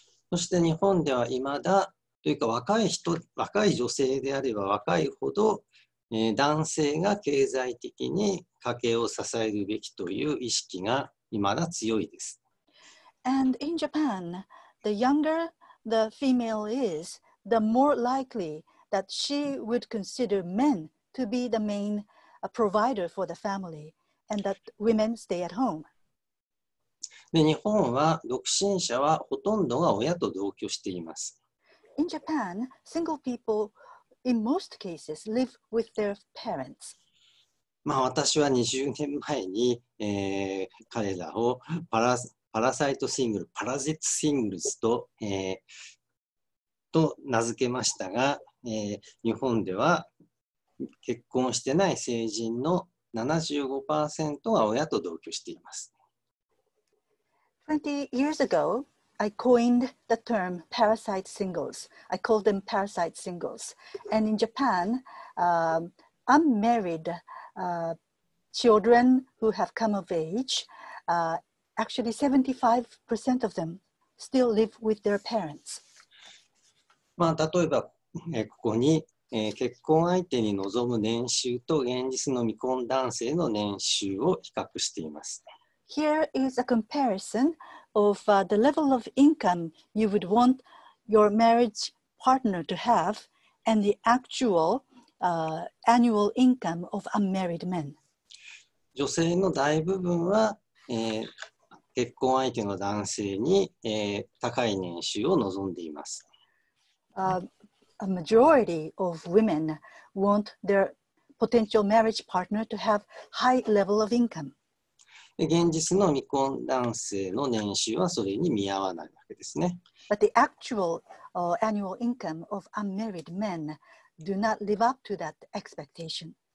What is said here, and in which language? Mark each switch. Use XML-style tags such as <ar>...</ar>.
<ja>そして日本では未だというか若い女性であれば若いほど、男性が経済的に家計を支えるべきという意識が未だ強いです。</ja> <en>And in Japan, the younger the female is, the more likelyThat she would consider men to be the main provider for the family, and that women stay at home.</en> <ja>で、日本は独身者はほとんどが親と同居しています。</ja> <en>In Japan, single people in most cases live with their parents.</en> <ja>まあ、私は20年前に、彼らをパラサイトシングルズと、と名付けましたが、日本では結婚してない成人の 75% は親と同居しています。</ja> <en>20 years ago, I coined the term parasite singles. I called them parasite singles. And in Japan, unmarried children who have come of age, actually 75% of them still live with their parents.</en> <ja>まあ、例えば、ここに、結婚相手に望む年収と現実の未婚男性の年収を比較しています。</ja> <en>Here is a comparison of, the level of income you would want your marriage partner to have and the actual, annual income of unmarried men.</en> <ja>女性の大部分は、結婚相手の男性に、高い年収を望んでいます。</ja> <en>A majority of women want their potential marriage partner to have high level of income.</en> <ja>で、現実の未婚男性の年収はそれに見合わないわけですね。</ja> <en>But the actual, annual income of unmarried men do not live up to that expectation.</en>